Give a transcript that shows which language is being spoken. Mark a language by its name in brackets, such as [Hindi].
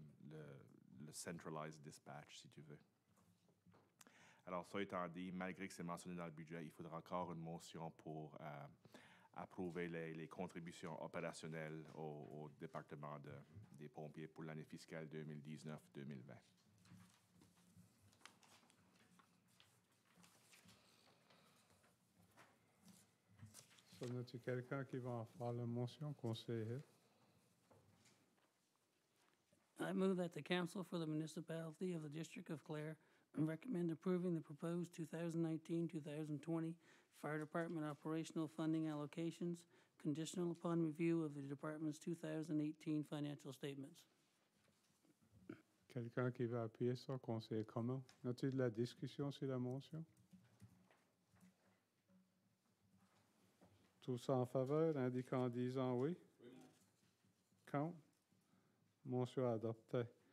[French] le centralized dispatch, si tu veux. Alors, ça étant dit, malgré que c'est mentionné dans le budget, il faudra encore une motion pour approuver les contributions opérationnelles au département des pompiers pour l'année fiscale 2019-2020. On a-t-il quelqu'un qui va en faire la motion, conseiller? [English] I move that the Council for the Municipality of the District of Clare recommend approving the proposed 2019-2020 Fire Department Operational Funding Allocations, conditional upon review of the Department's 2018 financial statements. [French] Quelqu'un qui va appuyer ça, conseiller Comeau? Y a-t-il de la discussion sur la motion? Tous en faveur, indiquant en disant oui. Contre. Motion adoptée.